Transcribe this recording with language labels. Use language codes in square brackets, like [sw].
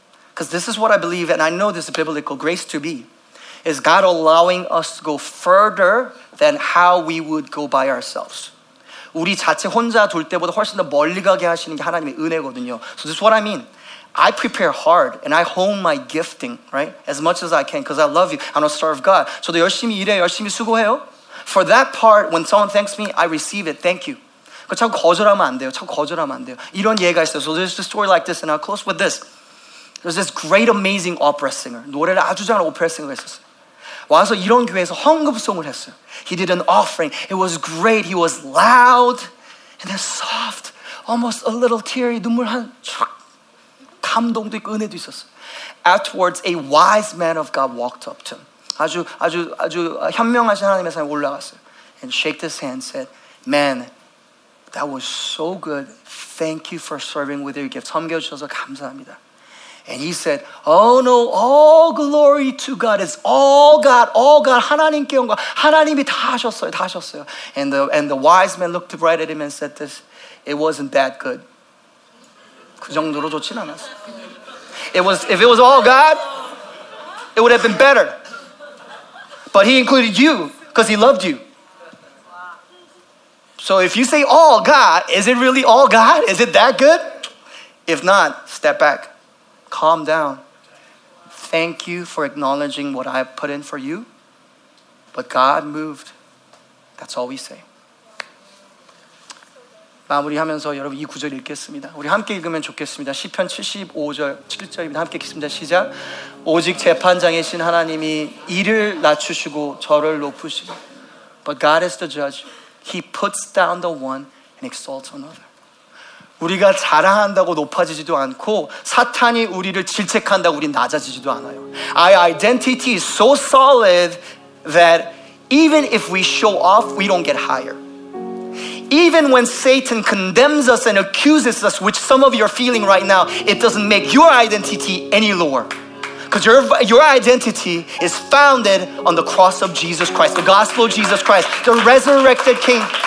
[en] Because this is what I believe, and I know this is biblical. Grace to be is God allowing us to go further than how we would go by ourselves. [ko] 우리 자체 혼자 돌 때보다 훨씬 더 멀리 가게 하시는 게 하나님의 은혜거든요. [en] So this is what I mean. I prepare hard, and I hone my gifting, right? As much as I can, because I love you. I want to serve God. [ko] 저도 열심히 일해요. 열심히 수고해요. [en] For that part, when someone thanks me, I receive it. Thank you. [ko] 그 자꾸 거절하면 안 돼요. 자꾸 거절하면 안 돼요. 이런 예가 있어요. [en] So there's a story like this, and I'll close with this. There's this great, amazing opera singer. [ko] 노래를 아주 잘하는 오페라 싱어가 있었어요. 와서 이런 교회에서 헌금송을 했어요. [en] He did an offering. It was great. He was loud and then soft, almost a little teary. [ko] 눈물 한 촥. 감동도 있고 은혜도 있었어요. [en] Afterwards, a wise man of God walked up to him. [ko] 아주 현명하신 하나님의 사람이 올라갔어요. [en] And shaked his hand, said, "Man." That was so good. Thank you for serving with your gift. [ko] 섬겨주셔서 감사합니다. [en] And he said, oh no, all glory to God. It's all God. [ko] 하나님께 영광. 하나님이 다 하셨어요. 다 하셨어요. [en] And the wise man looked right at him and said this. It wasn't that good. [ko] 그 정도로 좋진 않았어. [en] If it was all God, it would have been better. But he included you because he loved you. So if you say all God, is it really all God? Is it that good? If not, step back. Calm down. Thank you for acknowledging what I put in for you. But God moved. That's all we say. [ko] 마무리하면서 여러분 이 구절 읽겠습니다. 우리 함께 읽으면 좋겠습니다. 시편 75절 7절입니다. 함께 읽겠습니다. 시작. 오직 재판장이신 하나님이 이를 낮추시고 저를 높으시고 [en] But God is the judge. He puts down the one and exalts another. [ko] 우리가 자랑한다고 높아지지도 않고 사탄이 우리를 질책한다고 우리 낮아지지도 않아요. [en] Our identity is so solid that even if we show off, we don't get higher. Even when Satan condemns us and accuses us, which some of you are feeling right now, it doesn't make your identity any lower. Because your identity is founded on the cross of Jesus Christ, the gospel of Jesus Christ, the resurrected King.